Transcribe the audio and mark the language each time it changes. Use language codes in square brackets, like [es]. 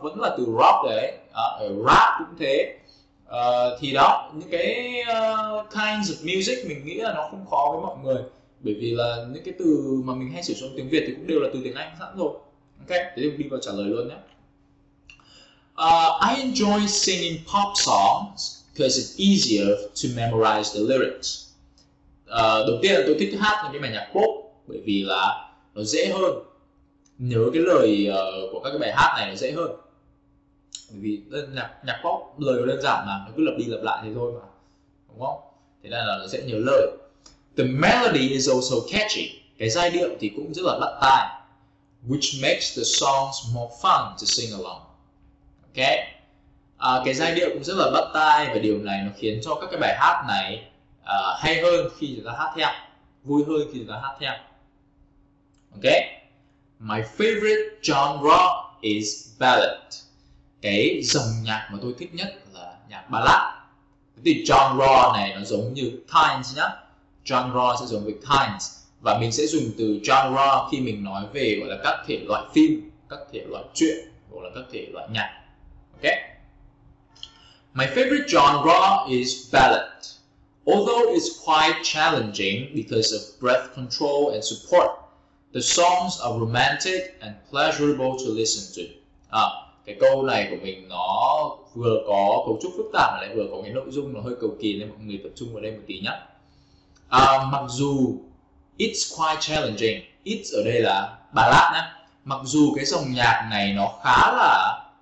[vi] Vẫn là từ rock đấy. Rap cũng thế. Thì đó, những cái [en] kinds of music [vi] mình nghĩ là nó không khó với mọi người, bởi vì là những cái từ mà mình hay sử dụng tiếng Việt thì cũng đều là từ tiếng Anh sẵn rồi. Ok, thế thì mình đi vào trả lời luôn nhé. [en] I enjoy singing pop songs because it's easier to memorize the lyrics. [vi] Đầu tiên là tôi thích hát những cái bài nhạc pop bởi vì là nó dễ hơn, nhớ cái lời của các cái bài hát này nó dễ hơn. Bởi vì nhạc pop lời nó đơn giản mà, nó cứ lặp đi lặp lại thế thôi mà, đúng không? Thế nên là nó dễ nhớ lời. [en] The melody is also catchy. [vi] Cái giai điệu thì cũng rất là bắt tai, [en] which makes the songs more fun to sing along. [vi] Ok, cái giai điệu cũng rất là bắt tai, và điều này nó khiến cho các cái bài hát này hay hơn khi chúng ta hát theo, vui hơn khi chúng ta hát theo. [en] Ok, my favorite genre is ballad. [vi] Cái dòng nhạc mà tôi thích nhất là nhạc ballad. Thì genre này nó giống như kinds nhá. Genre sẽ giống với kinds. Và mình sẽ dùng từ genre khi mình nói về gọi là các thể loại phim, các thể loại truyện, hoặc là các thể loại nhạc. [en] Ok. My favorite genre is ballad. Although it's quite challenging because of breath control and support, the songs are romantic and pleasurable to listen to. [vi] Cái câu này của mình nó vừa có cấu trúc phức tạp lại vừa có cái nội dung nó hơi cầu kỳ, nên mọi người tập trung vào đây một tí nhé. Mặc dù [en] it's quite challenging, [vi] it's ở đây là ballad nhé. Mặc dù cái dòng nhạc này nó khá là